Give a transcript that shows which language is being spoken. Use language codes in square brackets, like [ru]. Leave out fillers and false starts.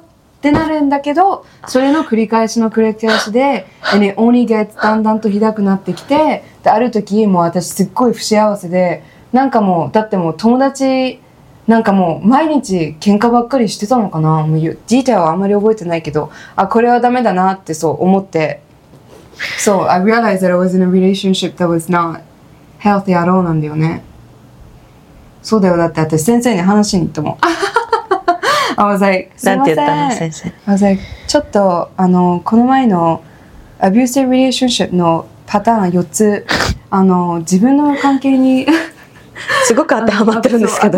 [ja] ってなるんだけど、それの繰り返しの繰り返しで、 [en] and it only gets [ja] だんだんとひどくなってきて、で、ある時、もう私すっごい不幸せで、なんかもう、だってもう友達、なんかもう毎日喧嘩ばっかりしてたのかな、もう、ディテールはあんまり覚えてないけど、あ、これはダメだなってそう思って。 [en] So, I realized that I was in a relationship that was not healthy at all [ja] なんだよね。そうだよ、だって私先生に話しに行ったもん。 [en] I was like, [ja] なんて言ったの先生、 [en] I was like, [ja] ちょっとあのこの前の abusive relationship のパターン4つあの自分の関係にすごく当てはまってるんですけど、